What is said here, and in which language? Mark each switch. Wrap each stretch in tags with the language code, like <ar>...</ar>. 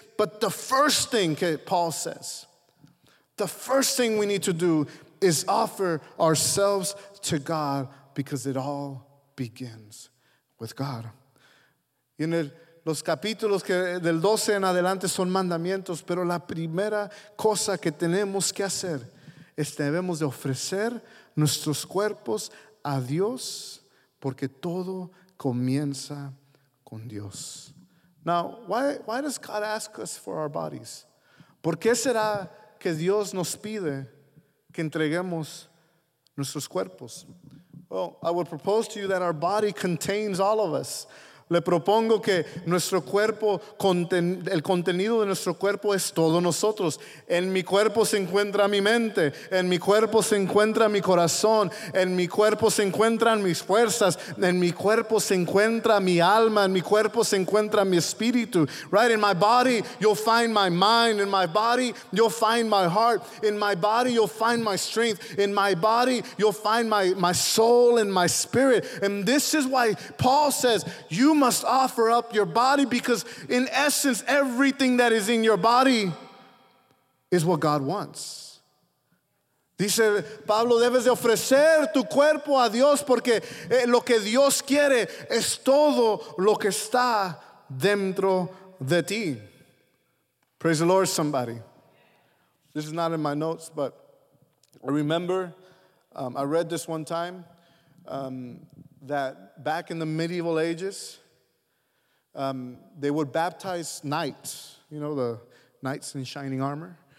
<en>But the first thing, Paul says, the first thing we need to do is offer ourselves to God because it all begins with God.</en> <es>In it, los capítulos que del 12 en adelante son mandamientos, pero la primera cosa que tenemos que hacer es debemos de ofrecer nuestros cuerpos a Dios porque todo comienza con Dios.</es> <en>Now, why does God ask us for our bodies?</en> <es>¿Por qué será que Dios nos pide que entreguemos nuestros cuerpos?</es> <en>Well, I would propose to you that our body contains all of us.</en> <es>Le propongo que nuestro cuerpo, el contenido de nuestro cuerpo es todos nosotros. En mi cuerpo se encuentra mi mente, en mi cuerpo se encuentra mi corazón, en mi cuerpo se encuentran mis fuerzas, en mi cuerpo se encuentra mi alma, en mi cuerpo se encuentra mi espíritu.</es> <en>Right, in my body you'll find my mind, in my body you'll find my heart, in my body you'll find my strength, in my body you'll find my soul and my spirit. And this is why Paul says, you must offer up your body because in essence, everything that is in your body is what God wants.</en> <es>Dice Pablo, debes de ofrecer tu cuerpo a Dios porque lo que Dios quiere es todo lo que está dentro de ti.</es> <en>Praise the Lord, somebody. This is not in my notes, but I remember I read this one time that back in the medieval ages, they would baptize knights, you know, the knights in shining armor.</en>